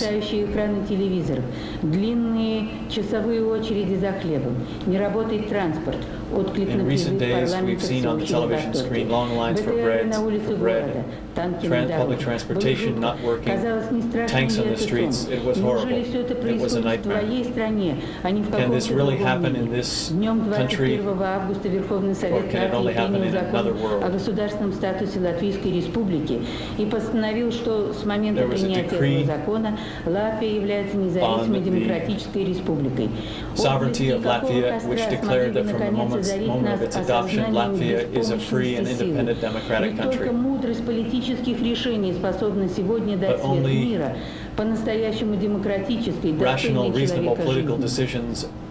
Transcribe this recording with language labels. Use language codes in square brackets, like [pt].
[ru] Мерцающие экраны телевизоров, длинные часовые очереди за хлебом, не работает транспорт. [en] In recent days, we've seen on the television screen long lines for bread, public transportation not working, tanks on the streets. It was horrible. It was a nightmare. Can this really happen in this country, or can it only happen in another world? [ru] Государственном статусе Латвийской Республики и постановил, что с момента принятия этого закона Латвия является независимой демократической республикой. [en] Sovereignty of Latvia, which declared that from the moment of its adoption, Latvia is a free and independent democratic country. [ru] Только мудрость политических решений способна сегодня дать свет мира по-настоящему демократической, достойной человека жизни.